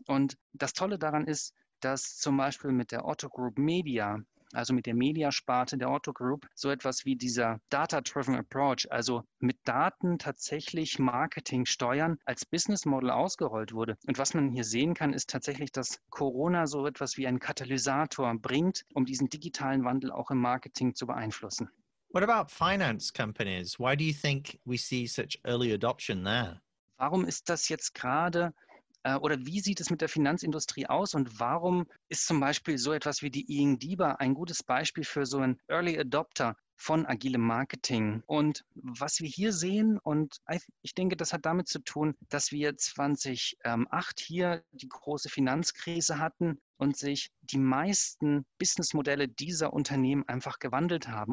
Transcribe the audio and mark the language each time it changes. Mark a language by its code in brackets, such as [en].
[de] Und das Tolle daran ist, dass zum Beispiel mit der Otto Group Media, also mit der Mediasparte der Otto Group, so etwas wie dieser Data-Driven Approach, also mit Daten tatsächlich Marketing steuern, als Business Model ausgerollt wurde. Und was man hier sehen kann, ist tatsächlich, dass Corona so etwas wie ein Katalysator bringt, um diesen digitalen Wandel auch im Marketing zu beeinflussen. [en] What about finance companies? Why do you think we see such early adoption there? [de] Warum ist das jetzt gerade, oder wie sieht es mit der Finanzindustrie aus und warum ist zum Beispiel so etwas wie die ING-DiBa ein gutes Beispiel für so einen Early Adopter von agilem Marketing? Und was wir hier sehen, und ich denke, das hat damit zu tun, dass wir 2008 hier die große Finanzkrise hatten und sich die meisten Businessmodelle dieser Unternehmen einfach gewandelt haben.